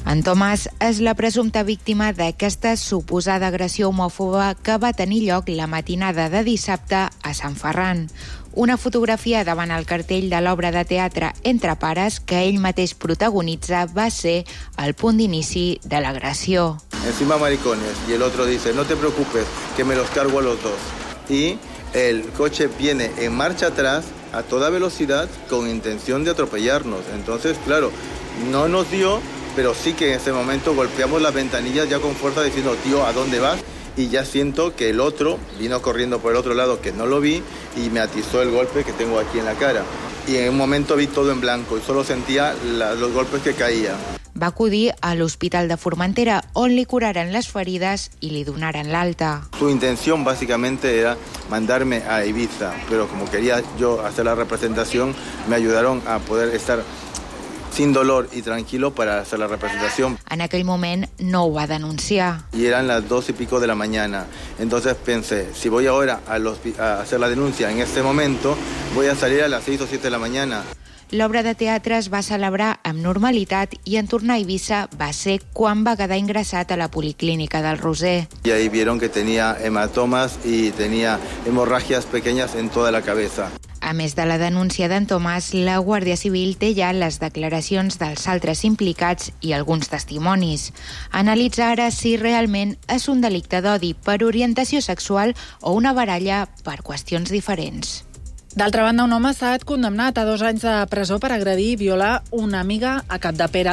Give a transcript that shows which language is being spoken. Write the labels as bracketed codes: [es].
[ca] En Tomàs és la presumpta víctima d'aquesta suposada agressió homòfoba que va tenir lloc la matinada de dissabte a Sant Ferran. Una fotografia davant el cartell de l'obra de teatre Entre pares, que ell mateix protagonitza, va ser el punt d'inici de l'agressió. [es] Encima maricones, y el otro dice, no te preocupes, que me los cargo a los dos. Y el coche viene en marcha atrás, a toda velocidad, con intención de atropellarnos. Entonces, claro, no nos dio, pero sí que en ese momento golpeamos las ventanillas ya con fuerza diciendo, tío, ¿a dónde vas? Y ya siento que el otro vino corriendo por el otro lado, que no lo vi, y me atizó el golpe que tengo aquí en la cara. Y en un momento vi todo en blanco y solo sentía los golpes que caían. [ca] Va acudir a l'Hospital de Formentera, on li curaren les ferides i li donaren l'alta. [es] Su intención básicamente era mandarme a Ibiza, pero como quería yo hacer la representación, me ayudaron a poder estar sin dolor y tranquilo para hacer la representación. [ca] En aquell moment no ho va denunciar. [es] Y eran las 2:30 a.m. Entonces pensé, si voy ahora a hacer la denuncia en este momento, voy a salir a las 6 o 7 de la mañana. [ca] L'obra de teatre es va celebrar amb normalitat i en tornar a Eivissa va ser quan va quedar ingressat a la policlínica del Roser. [es] Y ahí vieron que tenía hematomas y tenía hemorragias pequeñas en toda la cabeza. [ca] A més de la denúncia d'en Tomàs, la Guàrdia Civil té ja les declaracions dels altres implicats i alguns testimonis. Analitza ara si realment és un delicte d'odi per orientació sexual o una baralla per qüestions diferents. D'altra banda, un home ha estat condemnat a 2 anys de presó per agredir i violar una amiga a Capdepera.